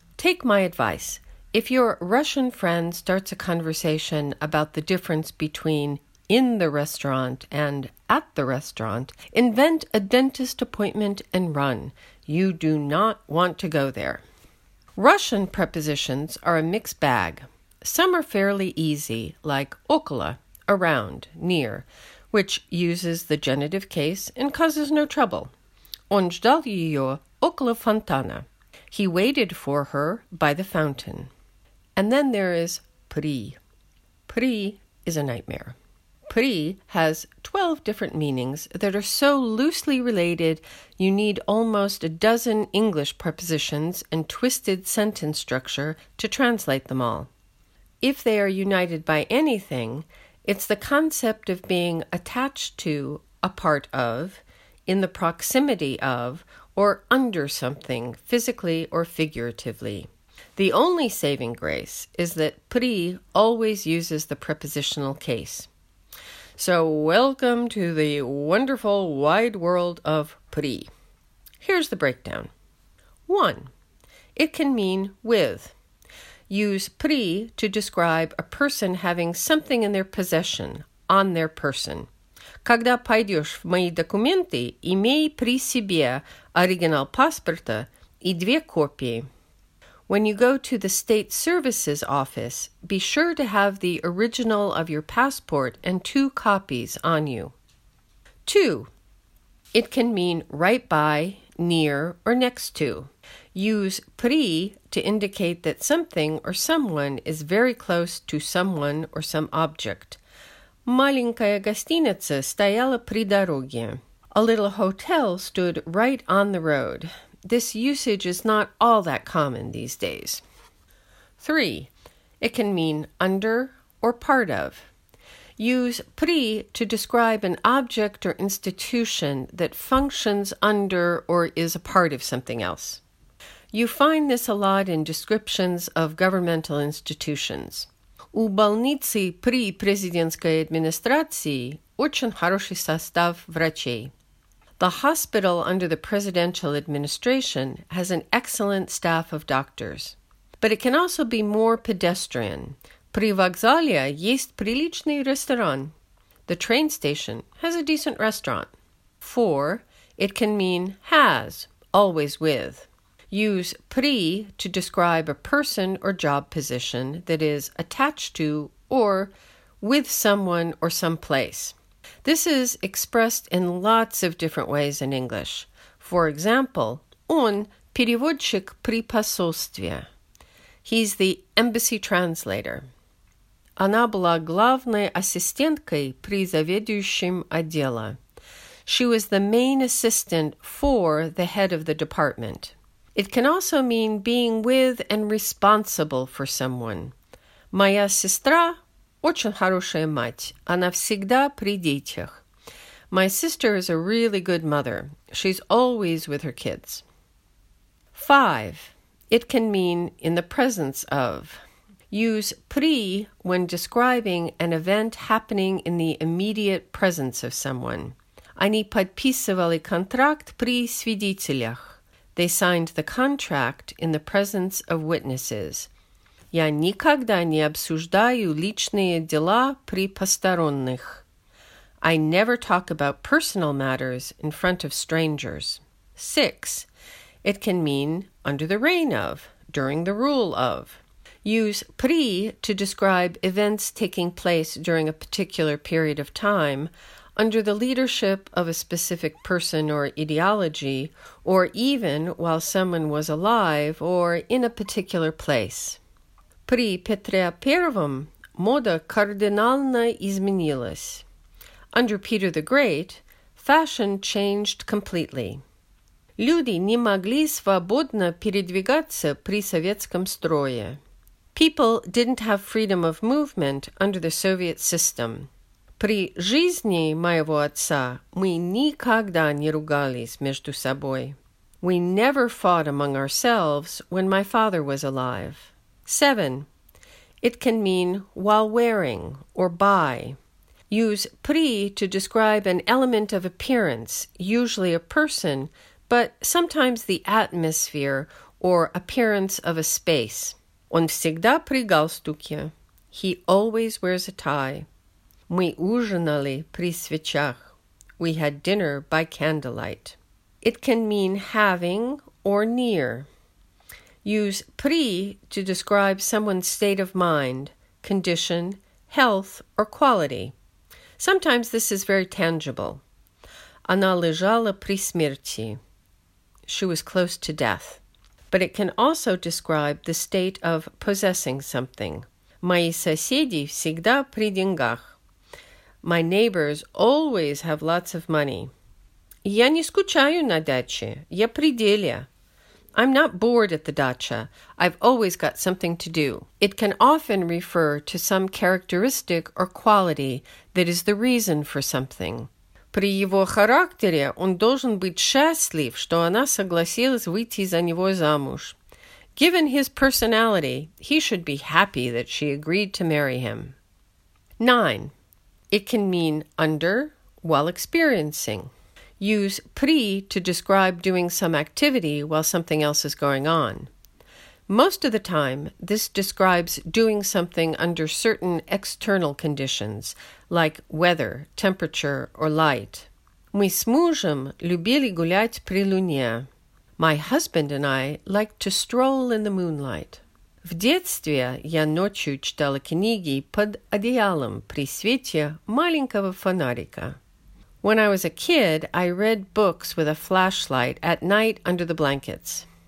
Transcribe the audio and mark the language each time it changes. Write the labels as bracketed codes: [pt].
[en] Take my advice. If your Russian friend starts a conversation about the difference between in the restaurant and at the restaurant, invent a dentist appointment and run. You do not want to go there. Russian prepositions are a mixed bag. Some are fairly easy, like okolo, around, near, which uses the genitive case and causes no trouble. [ru] Он ждал ее около фонтана. [en] He waited for her by the fountain. And then there is при. При is a nightmare. При has 12 different meanings that are so loosely related you need almost a dozen English prepositions and twisted sentence structure to translate them all. If they are united by anything, it's the concept of being attached to, a part of, in the proximity of, or under something, physically or figuratively. The only saving grace is that при always uses the prepositional case. So welcome to the wonderful wide world of pri. Here's the breakdown. 1. It can mean with. Use pri to describe a person having something in their possession, on their person. [ru] Когда пойдешь в мои документы, имей при себе оригинал паспорта и две копии. [en] When you go to the state services office, be sure to have the original of your passport and two copies on you. 2. It can mean right by, near, or next to. Use при to indicate that something or someone is very close to someone or some object. [ru] Маленькая гостиница стояла при дороге. [en] A little hotel stood right on the road. This usage is not all that common these days. 3. It can mean under or part of. Use при to describe an object or institution that functions under or is a part of something else. You find this a lot in descriptions of governmental institutions. [ru] У больницы при президентской администрации очень хороший состав врачей. [en] The hospital under the presidential administration has an excellent staff of doctors. But it can also be more pedestrian. [ru] При вокзале есть приличный ресторан. [en] The train station has a decent restaurant. 4. It can mean has, always with. Use при to describe a person or job position that is attached to or with someone or some place. This is expressed in lots of different ways in English. For example, [ru] он переводчик при посольстве. [en] He's the embassy translator. [ru] Она была главной ассистенткой при заведующем отделе. [en] She was the main assistant for the head of the department. It can also mean being with and responsible for someone. [ru] Моя сестра очень хорошая мать. Она всегда при детях. [en] My sister is a really good mother. She's always with her kids. 5. It can mean in the presence of. Use при when describing an event happening in the immediate presence of someone. [ru] Они подписывали контракт при свидетелях. [en] They signed the contract in the presence of witnesses. [ru] Я никогда не обсуждаю личные дела при посторонних. [en] I never talk about personal matters in front of strangers. 6. It can mean under the reign of, during the rule of. Use при to describe events taking place during a particular period of time, under the leadership of a specific person or ideology, or even while someone was alive or in a particular place. [ru] При Петре Первом мода кардинально изменилась. [en] Under Peter the Great, fashion changed completely. [ru] Люди не могли свободно передвигаться при советском строе. [en] People didn't have freedom of movement under the Soviet system. [ru] При жизни моего отца мы никогда не ругались между собой. [en] We never fought among ourselves when my father was alive. 7. It can mean while wearing or by. Use при to describe an element of appearance, usually a person, but sometimes the atmosphere or appearance of a space. [ru] Он всегда при галстуке. [en] He always wears a tie. [ru] Мы ужинали при свечах. [en] We had dinner by candlelight. It can mean having or near. Use при to describe someone's state of mind, condition, health, or quality. Sometimes this is very tangible. [ru] Она лежала при смерти. [en] She was close to death. But it can also describe the state of possessing something. [ru] Мои соседи всегда при деньгах. [en] My neighbors always have lots of money. [ru] Я не скучаю на даче. Я при деле. [en] I'm not bored at the dacha. I've always got something to do. It can often refer to some characteristic or quality that is the reason for something. [ru] При его характере он должен быть счастлив, что она согласилась выйти за него замуж. [en] Given his personality, he should be happy that she agreed to marry him. 9. It can mean under, while experiencing. Use при to describe doing some activity while something else is going on. Most of the time, this describes doing something under certain external conditions, like weather, temperature, or light. [ru] Мы с мужем любили гулять при луне. [en] My husband and I like to stroll in the moonlight. [ru] В детстве я ночью читала книги под одеялом при свете маленького фонарика. [en] When I was a kid, I read books with a flashlight at night under the blankets.